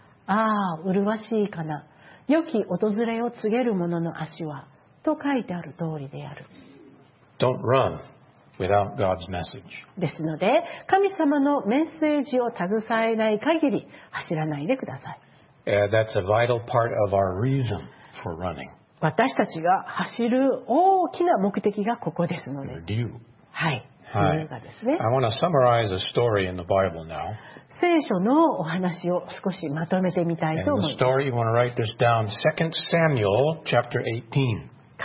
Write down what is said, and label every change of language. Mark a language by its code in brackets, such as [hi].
[ja] ああ麗しいかな、良き訪れを告げる者の足は、と書いてある通りである。 [en] Don't run without God's message. [ja] ですので、神様のメッセージを携えない限り走らないでください。 [en] That's a vital part of our reason for running. [ja] 私たちが走る大きな目的がここですので、はい、 [en] I want to summarize a story in the Bible now. [ja] 聖書のお話を少しまとめてみたいと思います。 [en] And the story, you want to write this down, 2 Samuel chapter 18.